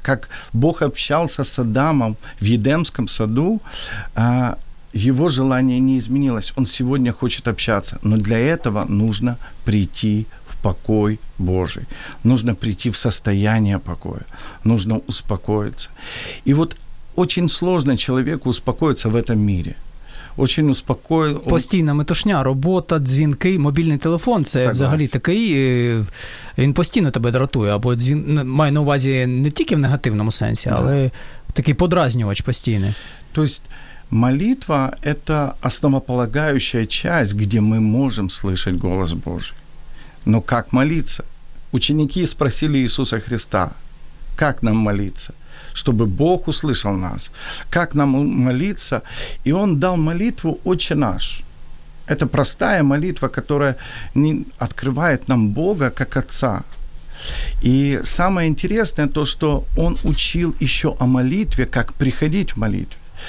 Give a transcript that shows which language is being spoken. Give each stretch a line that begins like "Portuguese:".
Russian: Как Бог общался с Адамом в Едемском саду, его желание не изменилось. Он сегодня хочет общаться, но для этого нужно прийти в покой Божий. Нужно прийти в состояние покоя. Нужно успокоиться. И вот очень сложно человеку успокоиться в этом мире. Очень успокоен.
Ukrainian: Постійна метушня, робота, дзвінки, мобільний телефон – це
Russian: согласен.
Ukrainian: Взагалі такий, він постійно тебе дратує. Або дзвін, має на увазі не тільки в негативному сенсі, але такий подразнювач постійний. Тобто молитва – це основополагаюча часть, де ми можемо слышати голос Божий. Но як молитися?
Russian: Ученики спросили
Ukrainian: Ісуса Христа, як нам молитися?
Russian: чтобы Бог услышал нас, как нам молиться. И он дал молитву «Отче наш». Это простая молитва, которая открывает нам Бога как Отца. И самое интересное то, что он учил еще о молитве, как приходить в молитву.